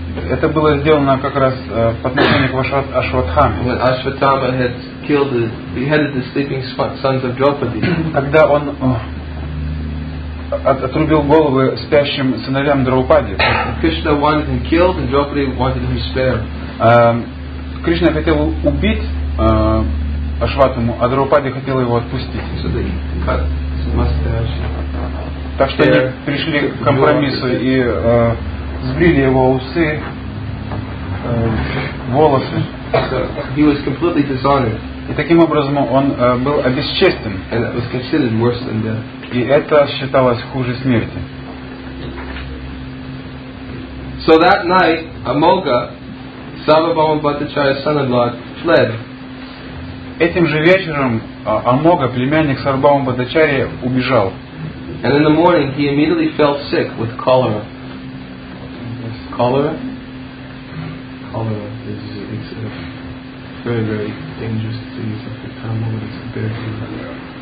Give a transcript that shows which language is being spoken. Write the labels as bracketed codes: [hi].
[ru] Это было сделано как раз в отношении к Ашватхаме. [en] When Ashwatthama had killed the beheaded the sleeping sons of Draupadi. [ru] Когда он отрубил головы спящим сыновьям Драупади. [en] Krishna wanted him killed and Draupadi wanted him spared. [ru] Кришна хотел убить Ашватаму, а Драупади хотел его отпустить. [en] So they cut some mustache. [ru] Так что они пришли к компромиссу и сбрили его усы, волосы. [en] He was completely dishonored. [ru] И таким образом он был обесчестен. [en] And it was considered worse than death. [ru] И это считалось хуже смерти. [en] So that night, Amogha, Sarvabhauma Bhattacharya's son-in-law, fled. [ru] Этим же вечером Амога, племянник Сарвабхаума Бхаттачарьи, убежал. [en] And in the morning he immediately fell sick with cholera. Cholera? Cholera is it's a very, very dangerous disease at the time when it's compared to cholera.